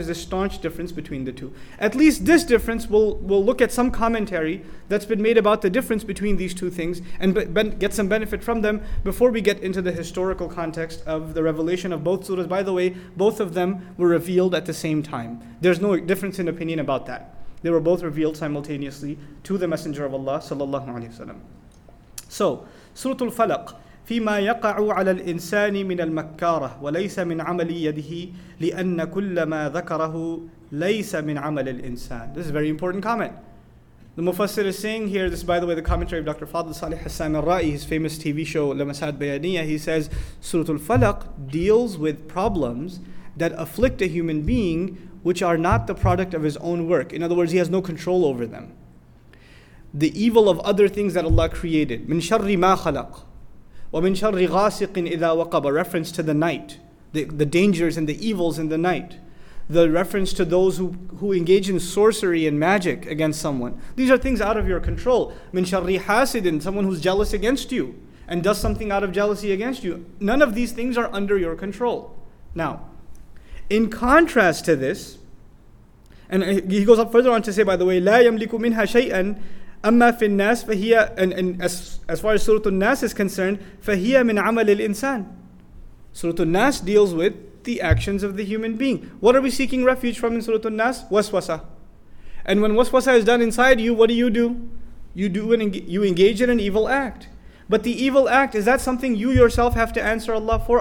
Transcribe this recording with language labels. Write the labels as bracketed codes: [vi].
[en] There's a staunch difference between the two. At least this difference, we'll look at some commentary that's been made about the difference between these two things and get some benefit from them before we get into the historical context of the revelation of both surahs. By the way, both of them were revealed at the same time. There's no difference in opinion about that. They were both revealed simultaneously to the Messenger of Allah sallallahu alayhi wa sallam. So, Surah Al-Falaq. [ar] فيما يقع على الإنسان من المكارة وليس من عمل يده لأن كل ما ذكره ليس من عمل الإنسان. [en] This is a very important comment. The Mufassir is saying here, this is by the way the commentary of Dr. Fadl Salih Hassan al-Ra'i, his famous TV show Lamasat Bayaniya, he says, Surah Al-Falaq deals with problems that afflict a human being which are not the product of his own work. In other words, he has no control over them. The evil of other things that Allah created. [ar] من شر ما خلق وَمِن شَرِّ غَاسِقٍ إِذَا وَقَبَ, [en] a reference to the night, the dangers and the evils in the night. The reference to those who engage in sorcery and magic against someone. These are things out of your control. [ar] مِن شَرِّ حَاسِدٍ, [en] someone who's jealous against you and does something out of jealousy against you. None of these things are under your control. Now, in contrast to this, and he goes up further on to say, by the way, [ar] لَا يَمْلِكُ مِنْهَا شَيْئًا. أما في الناس فهي, [en] and as far as Surah An-Nas is concerned, [ar] فهي من عمل الإنسان. [en] Surah An-Nas deals with the actions of the human being. What are we seeking refuge from in Surah An-Nas? Waswasa. And when waswasa is done inside you, what do you do? You engage in an evil act. But the evil act, is that something you yourself have to answer Allah for?